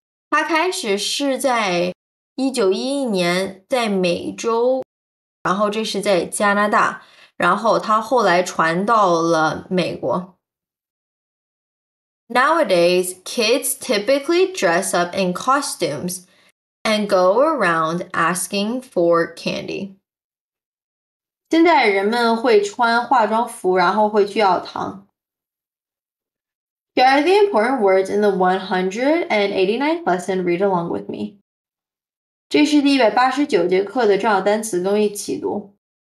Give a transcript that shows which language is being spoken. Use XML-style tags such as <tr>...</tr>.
<zh>它开始是在1911年在美洲，然后这是在加拿大，然后它后来传到了美国。</zh> <en>Nowadays, kids typically dress up in costumes and go around asking for candy.</en> <zh>现在人们会穿化妆服，然后会去要糖。</zh> <en>Here are the important words in the 189th lesson. Read along with me.</en> <zh>这是第189节课的重要单词，跟我一起读。</zh>